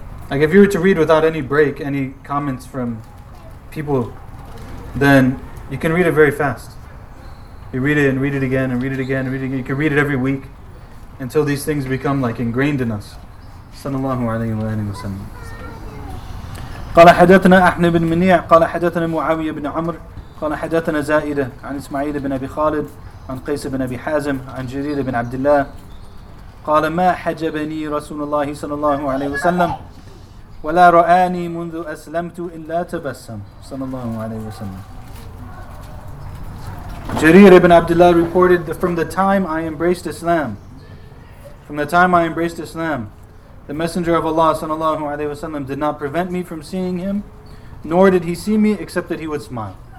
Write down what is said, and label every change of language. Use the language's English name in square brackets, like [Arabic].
[English] Like if you were to read without any break, any comments from people, then you can read it very fast. You read it and read it again and read it again and read it again. You can read it every week until these things become like ingrained in us. [Arabic] Sallallahu alayhi wa sallam. قال حدثنا أحمد بن منيع قال حدثنا معاوية بن عمرو قال حدثنا زائدة عن إسماعيل بن أبي خالد عن قيس بن أبي حازم عن جرير بن عبد الله قال ما حجبني رسول الله صلى الله عليه وسلم ولا رآني منذ أسلمت إلا تبسم صلى الله عليه وسلم. [English] جرير بن عبد الله reported that from the time I embraced Islam, the Messenger of Allah [Arabic] sallallahu alayhi wa sallam [English] did not prevent me from seeing him, nor did he see me except that he would smile.